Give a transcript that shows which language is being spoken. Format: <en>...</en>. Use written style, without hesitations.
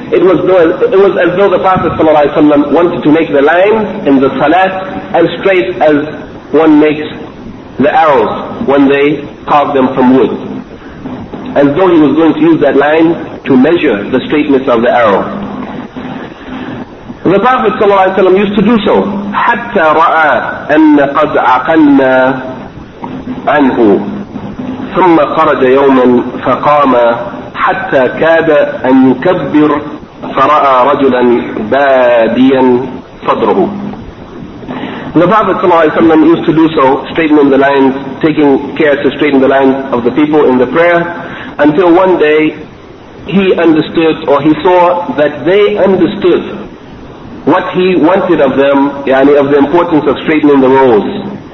<en>It was as though the Prophet ﷺ wanted to make the lines in the salat as straight as one makes the arrows when they carve them from wood, as though he was going to use that line to measure the straightness of the arrow. The Prophet ﷺ used to do so.</en> <ar>حَتَّى رَأَى أَنَّ قَدْ عَقَلْنَا عَنْهُ ثم خرج يوما فقام حتى كاد أن يكبر فرأى رجلا باديا صدره.</ar> <en>The Prophet ﷺ used to do so, straightening the lines, taking care to straighten the lines of the people in the prayer, until one day he understood, or he saw that they understood what he wanted of them, yani of the importance of straightening the rows.</en>